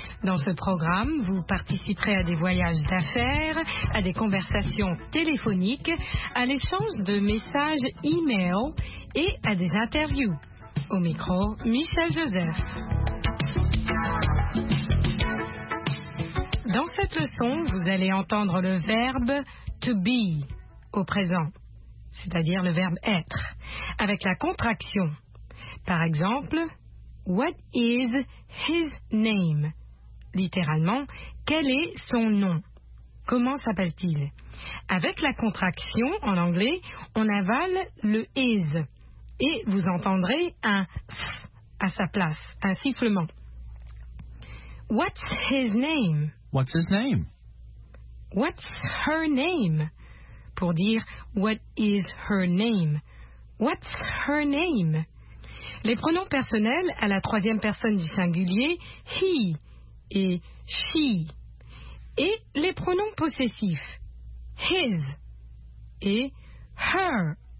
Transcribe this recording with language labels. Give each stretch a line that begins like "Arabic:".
French: Dans ce programme, vous participerez à des voyages d'affaires, à des conversations téléphoniques, à l'échange de messages e-mail et à des interviews. Au micro, Michel Joseph. Dans cette leçon, vous allez entendre le verbe to be au présent, c'est-à-dire le verbe être, avec la contraction. Par exemple,
English: what is his name?
French: Littéralement, quel est son nom? Comment s'appelle-t-il? Avec la contraction, en anglais, on avale le is et vous entendrez un s à sa place, un sifflement.
English: What's his name? What's his name? What's her name?
French: Pour dire
English: what is her name? What's her name?
French: Les pronoms personnels à la troisième personne du singulier, he et she. Et les pronoms possessifs, his et her.